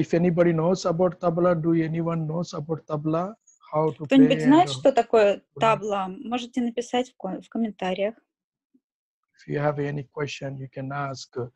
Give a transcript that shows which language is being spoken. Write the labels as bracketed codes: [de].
[en] If anybody knows about tabla, do anyone knows about tabla? How to play? [ru] Кто-нибудь знает, что такое табла? Можете написать в комментариях. [en] If you have any question, you can ask.